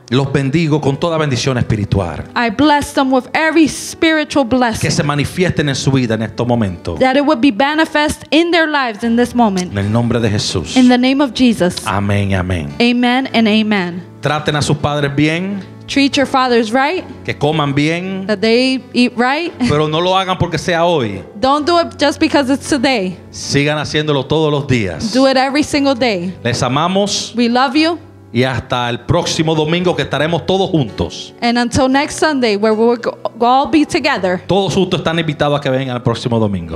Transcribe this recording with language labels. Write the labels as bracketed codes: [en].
[es] Los bendigo con toda bendición espiritual. [en] I bless them with every spiritual blessing. [es] Que se manifiesten en su vida en estos momentos. [en] That it would be manifest in their lives in this moment. [es] En el nombre de Jesús. [en] In the name of Jesus. [es] Amén, amén. [en] Amen and amen. [es] Traten a sus padres bien. [en] Treat your fathers right. [es] Que coman bien. [en] That they eat right. [es] Pero no lo hagan porque sea hoy. [en] Don't do it just because it's today. [es] Sigan haciéndolo todos los días. [en] Do it every single day. [es] Les amamos. [en] We love you. [es] Y hasta el próximo domingo que estaremos todos juntos. [en] And until next Sunday where we'll all be together. [es] Todos juntos están invitados a que vengan el próximo domingo.